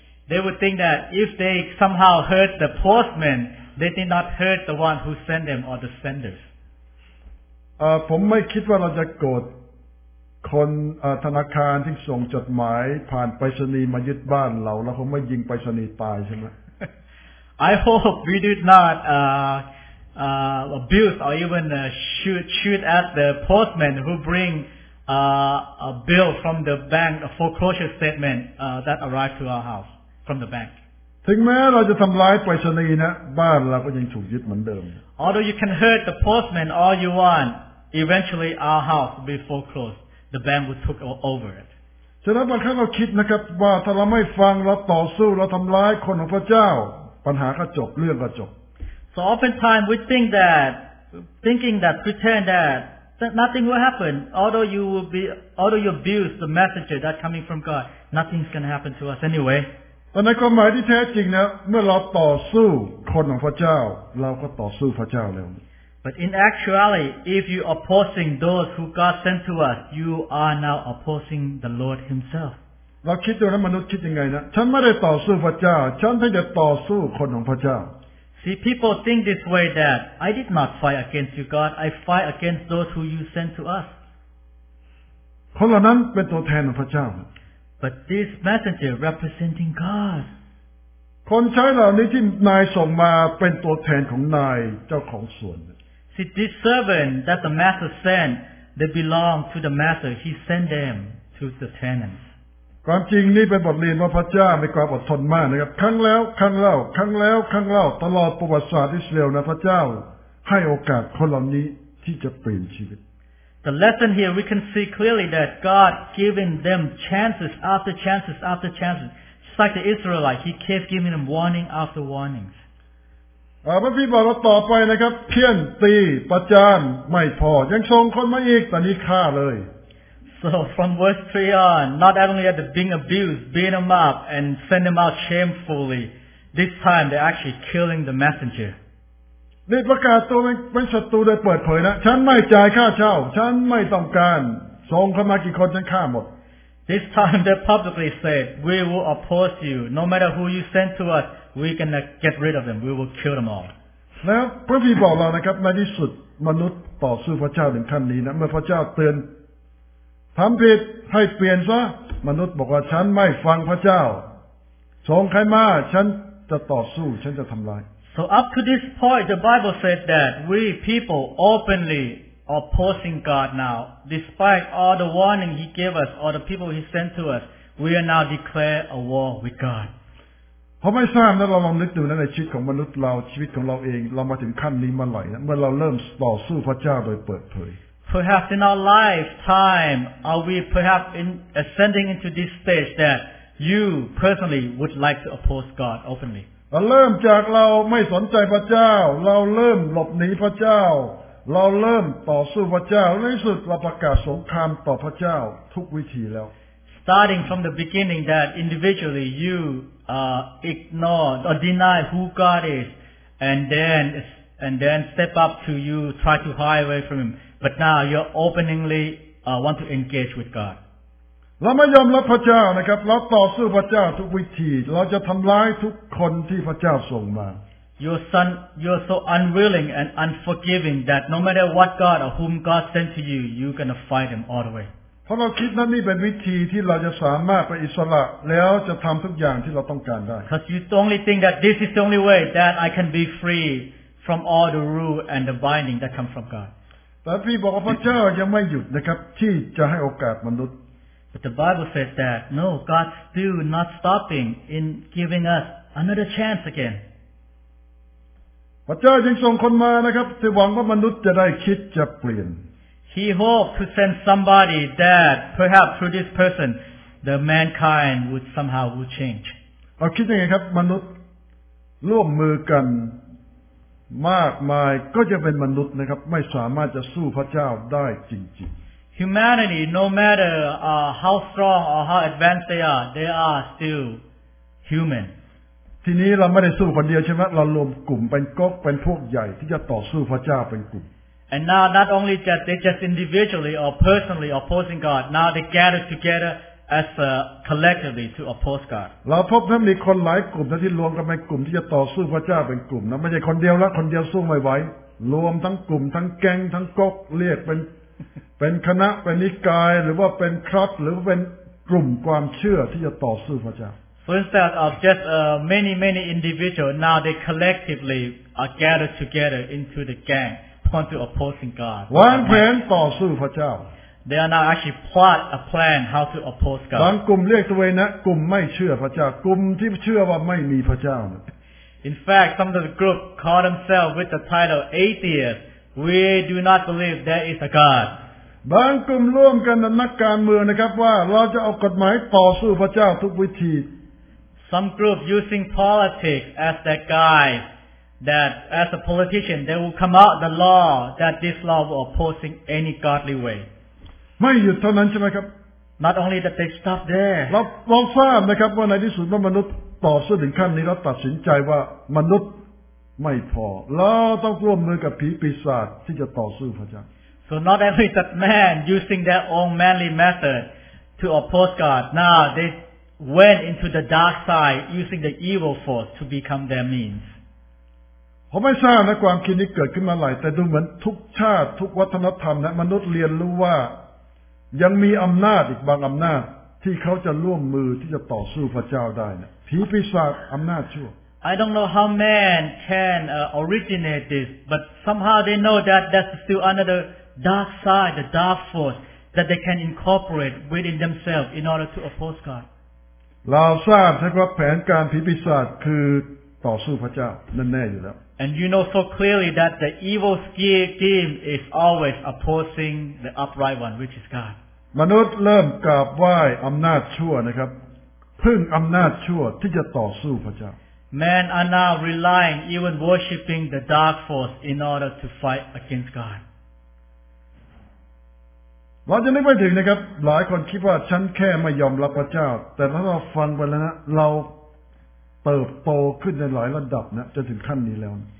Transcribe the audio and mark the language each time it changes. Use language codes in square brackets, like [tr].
[en] They would think that if they somehow hurt the postman, they did not hurt the one who sent them or the senders. [th] ผมไม่คิดว่าเราจะโกรธคนธนาคารที่ส่งจดหมายผ่านไปรษณีย์มายึดบ้านเราแล้วผมไม่ยิงไปรษณีย์ตายใช่ไหม [en] I hope we did not abuse or even shoot at the postman who bring a bill from the bank, a foreclosure statement that arrived to our house from the bank. Although you can hurt the postman all you want, eventually our house will be foreclosed. The bank will take over it. [th] ฉะนั้นบางครั้งเราคิดนะครับว่าถ้าเราไม่ฟังเราต่อสู้เราทำร้ายคนของพระเจ้าปัญหาก็จบเรื่องก็จบ [en] So oftentimes we think that thinking that pretend that nothing will happen although you abuse the messenger that coming from God nothing's going to happen to us anyway [th] แต่ในความหมายที่แท้จริงนะเมื่อเราต่อสู้คนของพระเจ้าเราก็ต่อสู้พระเจ้าแล้ว [en] But in actuality if you are opposing those who God sent to us you are now opposing the Lord himself [th] เราคิดดูนะมนุษย์คิดยังไงนะฉันไม่ได้ต่อสู้พระเจ้าฉันเพียงแต่ต่อสู้คนของพระเจ้า [en] See people think this way that I did not fight against you God I fight against those who you sent to us [th] คนเหล่านั้นเป็นตัวแทนของพระเจ้า [en] But this messenger representing God [th] คนใช้เหล่านี้ที่นายส่งมาเป็นตัวแทนของนายเจ้าของสวน [en] See, this servant that the master sent, they belong to the master. He sent them to the tenants. [th] ความจริงนี่เป็นบทเรียนว่าพระเจ้ามีความอดทนมากนะครับครั้งแล้วครั้งเล่าครั้งแล้วครั้งเล่าตลอดประวัติศาสตร์อิสราเอลนะพระเจ้าให้โอกาสคนเหล่านี้ที่จะเปลี่ยนชีวิต [en] The lesson here, we can see clearly that God giving them chances after chances after chances. Just like the Israelites, he kept giving them warning after warnings. [th] พระพี่บอกเราต่อไปนะครับเพี้ยนตีประจานไม่พอยังส่งคนมาอีกตอนนี้ฆ่าเลย [en] So from verse 3 on not only are they being abused beating them up and send them out shamefully this time they're actually killing the messenger [th] นี่ประกาศตัวเป็นศัตรูโดยเปิดเผยนะฉันไม่จ่ายค่าเช่าฉันไม่ต้องการส่งเข้ามากี่คนฉันฆ่าหมด [en] This time they publicly said we will oppose you no matter who you send to usWe gonna get rid of them. We will kill them all. [th] แล้วพระพี่บอกเรานะครับในที่สุดมนุษย์ต่อสู้พระเจ้าถึงขั้นนี้นะเมื่อพระเจ้าเตือนทำผิดให้เปลี่ยนซะมนุษย์บอกว่าฉันไม่ฟังพระเจ้าส่งใครมาฉันจะต่อสู้ฉันจะทำลาย [en] So up to this point, the Bible says that we people openly opposing God now, despite all the warning He gave us, all the people He sent to us, we are now declare a war with God. [th] เพราะไม่ทราบนะเราลองนึกดูนะในชีวิตของมนุษย์เราชีวิตของเราเองเรามาถึงขั้นนี้มาหลายนะเมื่อเราเริ่มต่อสู้พระเจ้าโดยเปิดเผย [en] Perhaps in our lifetime are we perhaps in ascending into this stage that you personally would like to oppose God openly [th] เราเริ่มจากเราไม่สนใจพระเจ้าเราเริ่มหลบหนีพระเจ้าเราเริ่มต่อสู้พระเจ้าในสุดเราประกาศสงครามต่อพระเจ้าทุกวิธีแล้ว [en] Starting from the beginning that individually youignore or deny who God is and then step up to you try to hide away from him but now you're openly want to engage with God [th] เราไม่ยอมรับพระเจ้านะครับเราต่อสู้พระเจ้าทุกวิธีเราจะทำร้ายทุกคนที่พระเจ้าส่งมา [en] you're so unwilling and unforgiving that no matter what God or whom God sent to you you're gonna fight them all the way [th] เพราะเราคิดนั่นนี่เป็นวิธีที่เราจะสามารถไปอิสระแล้วจะทำทุกอย่างที่เราต้องการได้ [en] Because you only think that this is the only way that I can be free from all the rule and the binding that come from God [th] แต่พี่บอกว่าพระเจ้ายังไม่หยุดนะครับที่จะให้โอกาสมนุษย์ [en] But the Bible says that no God still not stopping in giving us another chance again [th] พระเจ้ายังส่งคนมานะครับที่หวังว่ามนุษย์จะได้คิดจะเปลี่ยน [en] He hoped to send somebody that perhaps through this person, the mankind would somehow would change. [th] เราคิดยังไงครับมนุษย์ร่วมมือกันมากมายก็จะเป็นมนุษย์นะครับไม่สามารถจะสู้พระเจ้าได้จริง [en] ๆ Humanity, no matter how strong or how advanced they are still human. [th] ทีนี้เราไม่ได้สู้คนเดียวใช่ไหมเรารวมกลุ่มเป็นก๊อกเป็นพวกใหญ่ที่จะต่อสู้พระเจ้าเป็นกลุ่ม [en] And now not only that they just individually or personally opposing God, now they gather together as collectively to oppose God. [th] เราพบนะมีคนหลายกลุ่มที่รวมกันเป็นกลุ่มที่จะต่อสู้พระเจ้าเป็นกลุ่มนะไม่ใช่คนเดียวละคนเดียวสู้ไม่ไหวรวมทั้งกลุ่มทั้งแก๊งทั้งก๊กเรียกเป็นคณะเป็นนิกายหรือว่าเป็นครับหรือเป็นกลุ่มความเชื่อที่จะต่อสู้พระเจ้า [en] So instead of just many individuals, now they collectively are gathered together into the gang, point to opposing God. One plan [th] ต่อสู้พระเจ้า [en] They are now actually plot a plan how to oppose God. [th] บางกลุ่มเรียกตัวเองนะกลุ่มไม่เชื่อพระเจ้ากลุ่มที่เชื่อว่าไม่มีพระเจ้า [en] In fact, some of the group call themselves with the title atheist. We do not believe there is a God. [th] บางกลุ่มร่วมกันนักการเมืองนะครับว่าเราจะเอากฎหมายต่อสู้พระเจ้าทุกวิธี [en] Some group using politics as their guide that as a politician they will come out the law that this law will opposing any godly way [th] ไม่หยุดเท่านั้นใช่ไหมครับ [en] Not only that they stop there [th] เราลองทราบนะครับว่าในที่สุดเมื่อมนุษย์ต่อสู้ถึงขั้นนี้เราตัดสินใจว่ามนุษย์ไม่พอเราต้องร่วมมือกับผีปีศาจที่จะต่อสู้พระเจ้า [en] So not only that man using their own manly method to oppose God, now they went into the dark side using the evil force to become their means. [th] ผมไม่ทราบนะความคิดนี้เกิดขึ้นมาหลายแต่ดูเหมือนทุกชาติทุกวัฒนธรรมนะมนุษย์เรียนรู้ว่ายังมีอำนาจอีกบางอำนาจที่เขาจะร่วมมือที่จะต่อสู้พระเจ้าได้นะผีปีศาจอำนาจชั่ว [en] I don't know how man can originate this, but somehow they know that that's still under the dark side, the dark force that they can incorporate within themselves in order to oppose God. [th] เราทราบใช่ไหมว่าแผนการผีปีศาจคือต่อสู้พระเจ้านั่นแน่อยู่แล้ว [en] And you know so clearly that the evil scheme is always opposing the upright one, which is God. [th] มนุษย์เริ่มกราบไหว้อำนาจชั่วนะครับพึ่งอำนาจชั่วที่จะต่อสู้พระเจ้า [en] Men are now relying, even worshipping the dark force in order to fight against God. [th] เราจะไม่ไปถึงนะครับหลายคนคิดว่าฉันแค่ไม่ยอมรับพระเจ้าแต่ถ้าเราฟังไปแล้วนะเราเติบโตขึ้นในหลายระดับนะจนถึงขั้นนี้แล้ว